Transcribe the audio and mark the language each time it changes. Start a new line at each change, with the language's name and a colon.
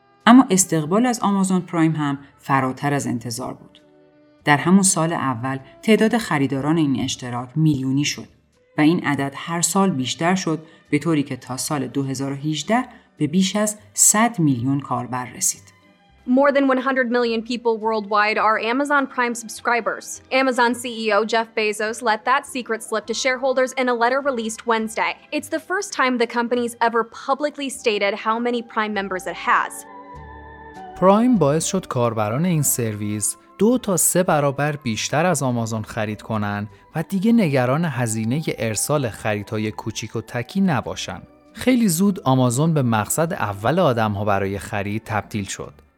Persian: اما استقبال از آمازون پرایم هم فراتر از انتظار بود. در همون سال اول تعداد خریداران این اشتراک میلیونی شد و این عدد هر سال بیشتر شد به طوری که تا سال 2018 به بیش از 100 میلیون کاربر رسید.
English: More than 100 million people worldwide are Amazon Prime subscribers. Amazon CEO Jeff Bezos let that secret slip to shareholders in a letter released Wednesday. It's the first time the company's ever publicly stated how many Prime members it has.
Persian: Prime باعث شد کاربران این سرویس 2 تا 3 برابر بیشتر از آمازون خرید کنن و دیگه نگران هزینه ارسال خریدهای کوچیک و تکی نباشن. خیلی زود آمازون به مقصد اول آدم‌ها برای خرید تبدیل شد.